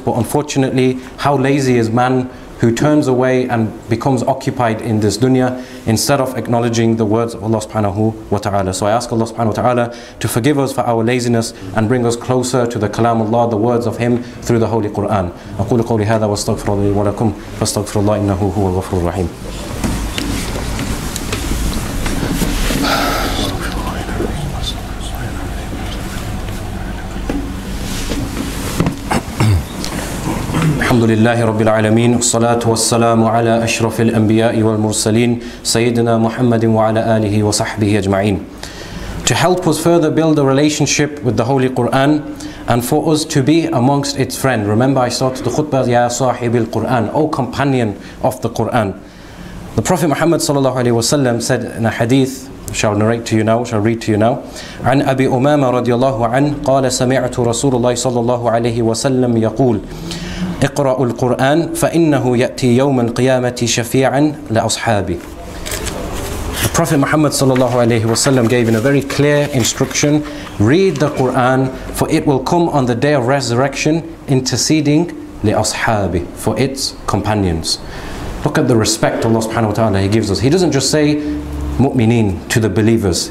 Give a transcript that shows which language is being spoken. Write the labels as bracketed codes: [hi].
[en] But unfortunately, how lazy is man who turns away and becomes occupied in this dunya instead of acknowledging the words of Allah subhanahu wa ta'ala. So I ask Allah subhanahu wa ta'ala to forgive us for our laziness and bring us closer to the kalam Allah, the words of Him through the Holy Quran. [ar] أقول قولي هذا واستغفر لي ولكم فاستغفر الله إنه هو الغفور الرحيم. Alhamdulillahi Rabbil Alameen, salatu wassalamu ala ashrafil anbiya'i wal mursaleen, Sayyidina Muhammadin wa ala alihi wa sahbihi ajma'in. [en] To help us further build a relationship with the Holy Qur'an and for us to be amongst its friend. Remember, I started the khutbah, Ya Sahibil Qur'an, O companion of the Qur'an. The Prophet Muhammad sallallahu alayhi wa sallam said in a hadith, shall read to you now. [ar] عن أبي أمامة رضي الله عنه قال سمعت رسول الله صلى الله عليه وسلم يقول اقرأوا القرآن فإنه يأتي يوم القيامة شفيعا لأصحابي. [en] The Prophet Muhammad sallallahu alayhi wa sallam gave in a very clear instruction, read the Quran, for it will come on the day of resurrection interceding لأصحابي, for its companions. Look at the respect Allah subhanahu wa ta'ala He gives us. He doesn't just say mu'mineen to the believers.